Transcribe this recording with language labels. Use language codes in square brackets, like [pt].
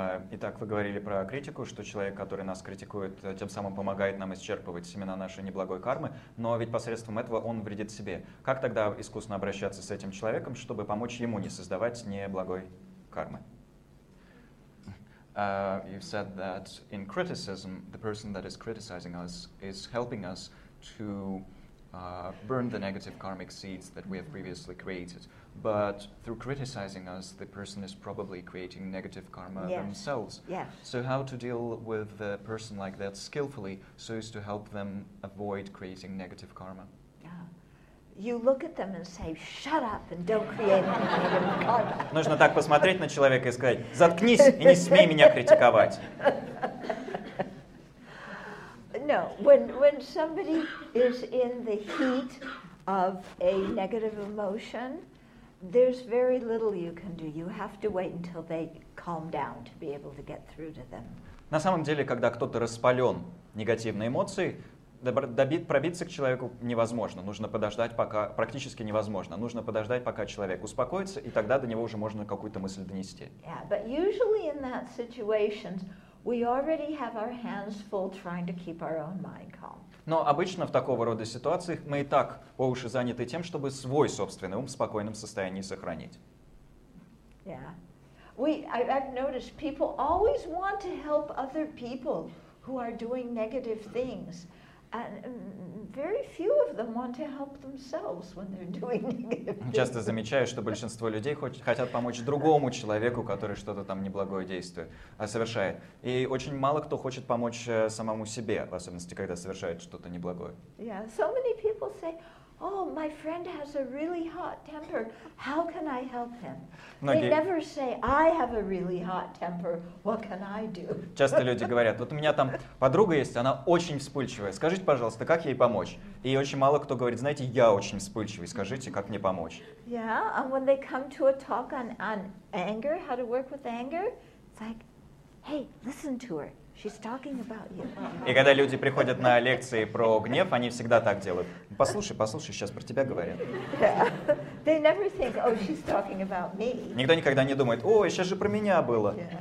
[ru] Итак, вы говорили про критику, что человек, который нас критикует, тем самым помогает нам исчерпывать семена нашей неблагой кармы, но ведь посредством этого он вредит себе. Как тогда искусно обращаться с этим человеком, чтобы помочь ему не создавать неблагой кармы? [en] You said that in criticism, the person that is criticizing us is helping us to burn the negative karmic seeds that we have previously created. But through criticizing us, the person is probably creating negative karma themselves. Yes. So how to deal with a person like that skillfully so as to help them avoid creating negative karma? You look at them and say, shut up and don't create any negative karma. [ru] Нужно так посмотреть на человека и сказать, заткнись и не смей меня критиковать. [en] No, when somebody is in the heat of a negative emotion, there's very little you can do. You have to wait until they calm down to be able to get through to them. [ru] На самом деле, когда кто-то распален негативной эмоцией, пробиться к человеку невозможно. Нужно подождать, пока практически невозможно. Нужно подождать, пока человек успокоится, и тогда до него уже можно какую-то мысль донести. [en] Yeah, but usually in that situation, we already have our hands full trying to keep our own mind calm. [ru] Но обычно в такого рода ситуациях мы и так по уши заняты тем, чтобы свой собственный ум в спокойном состоянии сохранить. [en] Yeah. I've noticed people always want to help other people who are doing negative things. And very few of them want to help themselves when they're doing negative things. [ru] Часто замечаю, что большинство людей хотят помочь другому человеку, который что-то там неблагое действие совершает. И очень мало кто хочет помочь самому себе, в особенности, когда совершает что-то неблагое. [en] Yeah, so many people say, oh, my friend has a really hot temper. How can I help him? They never say, I have a really hot temper. What can I do? [ru] Часто люди говорят, вот у меня там подруга есть, она очень вспыльчивая. Скажите, пожалуйста, как ей помочь? И очень мало кто говорит, знаете, я очень вспыльчивый. Скажите, как мне помочь? [en] Yeah, and when they come to a talk on anger, how to work with anger, it's like, hey, listen to her. She's talking about you. [ru] И когда люди приходят на лекции про гнев, они всегда так делают. Послушай, сейчас про тебя говорят. [en] Yeah. They never think, oh, she's talking about me. [ru] Никто никогда не думает, о, сейчас же про меня было.